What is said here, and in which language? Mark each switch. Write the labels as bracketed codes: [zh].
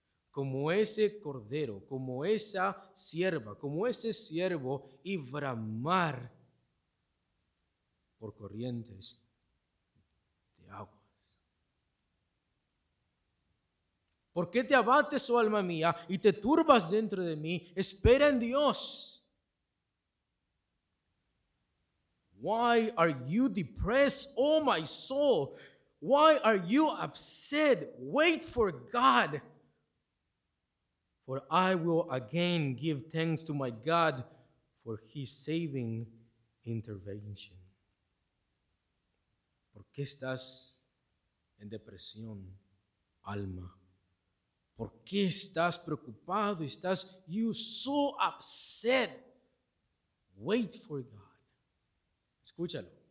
[es] Como ese cordero, como esa sierva, como ese siervo, y bramar por corrientes de aguas. ¿Por qué te abates, oh alma mía, y te turbas dentro de mí? Espera en Dios. [en] Why are you depressed, oh my soul? Why are you upset? Wait for God. For I will again give thanks to my God for his saving intervention. [es] ¿Por qué estás en depresión, alma? ¿Por qué estás preocupado? ¿Estás [en] you so upset? Wait for God. [es] Escúchalo.